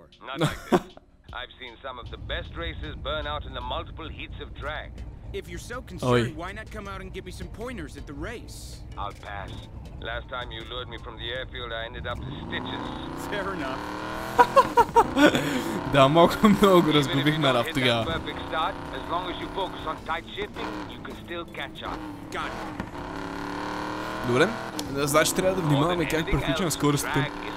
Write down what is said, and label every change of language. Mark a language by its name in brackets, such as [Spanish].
[English] I've seen some of the best races burn out in the multiple heats of drag. If you're so concerned, why not come out and give me some pointers at the race? I'll pass. Last time you lured me from the airfield, I ended up with stitches. Fair enough. [Bulgarian] Да, малко много разгубихме раф тогава. [English] As long as you focus on tight shifting, you can still catch up. Got it. [Bulgarian] Добре. Значи трябва да внимаваме как приключваме скоростите.